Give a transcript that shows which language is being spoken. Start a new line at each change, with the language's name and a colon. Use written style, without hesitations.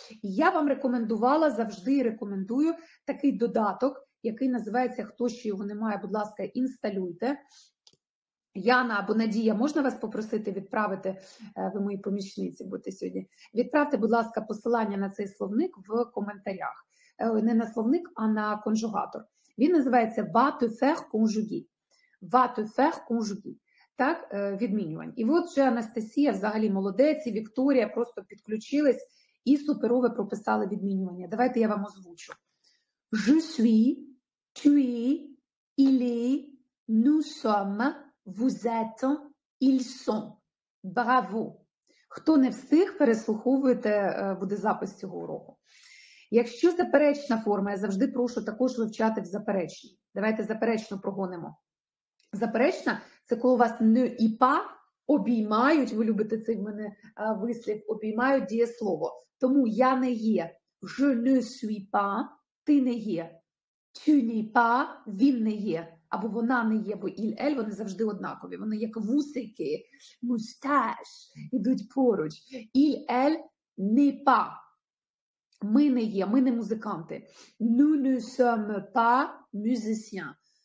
Ukrainian: Я вам рекомендувала, завжди рекомендую такий додаток, який називається «Хто ще його не має, будь ласка, інсталюйте». Яна або Надія, можна вас попросити відправити, ви мої помічниці будете сьогодні, відправте, будь ласка, посилання на цей словник в коментарях. Не на словник, а на конжугатор.
French: Він називається «Va te faire conjuguer». «Va te faire conjuguer».
Ukrainian: Так, відмінювань. І от вже Анастасія, взагалі молодець, і Вікторія просто підключились і суперове прописали відмінювання. Давайте я вам озвучу.
French: «Je suis», «tu es», «il est», «nous sommes», «Vous êtes», «ils sont».
Ukrainian: Браво! Хто не встиг, переслуховуєте, буде запис цього уроку. Якщо заперечна форма, я завжди прошу також вивчати в заперечній. Давайте заперечну прогонимо. Заперечна – це коли вас «не» і «па» обіймають, ви любите цей в мене вислів, обіймають дієслово. Тому «я не є»,
French: «je ne suis pas»,
Ukrainian: «ти не є»,
French: «tu n'es pas»,
Ukrainian: «він не є». Або вона не є, бо «il», «el», вони завжди однакові. Вони як вусики, «moustache», ідуть поруч. «Il», «el», «не па». Ми не є, ми не музиканти.
French: «Nous ne sommes pas musiciens».